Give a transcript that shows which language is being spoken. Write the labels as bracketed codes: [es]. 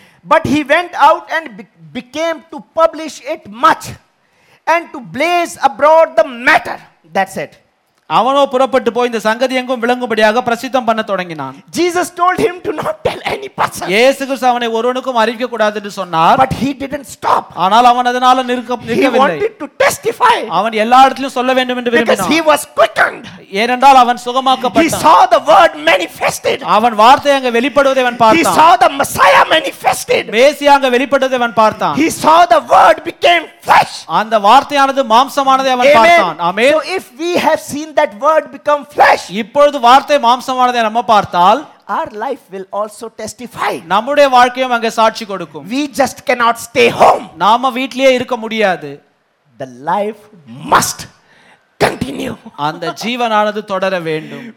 [en] But he went out and became to publish it much and to blaze abroad the matter. That's it. [ta] அவனோ புறப்பட்டு போய் இந்த சங்கதி எங்கும் விளங்கும்படியாக பிரசித்தம் பண்ண தொடங்கினான். [en] Jesus told him to not tell any person. [ta] இயேசு கிறிஸ்து அவனை ஒருவனுக்கும் அறிவிக்க கூடாது என்று சொன்னார். [en] But he didn't stop. [ta] ஆனால் அவன் அதனால நிற்கவில்லை. [en] He wanted to testify. [ta] அவன் எல்லா இடத்திலும் சொல்ல வேண்டும் என்று விரும்பினான். [en] Because he was quickened. [ta] ஏனென்றால் அவன் சுகமாக்கப்பட்டான். [en] He saw the word manifested. [ta] அவன் வார்த்தை அங்க வெளிப்படுவதை அவன் பார்த்தான். [en] He saw the Messiah manifested. [ta] மேசியா அங்க வெளிப்படுவதை அவன் பார்த்தான். [en] He saw the word became flesh. [ta] அந்த வார்த்தையானது மாம்சமானதை அவன் பார்த்தான். ஆமென். [en] So if we have seen that word become flesh, [ta] இப்பொழுது வார்த்தை மாம்சமானதை நாம் பார்த்தால், [en] our life will also testify. [ta] நம்முடைய வாழ்க்கையும் அங்க சாட்சி கொடுக்கும். [en] We just cannot stay home. [ta] நாம வீட்டிலேயே இருக்க முடியாது. [en] The life must continue. [ta] அந்த ஜீவனானது தொடர வேண்டும்.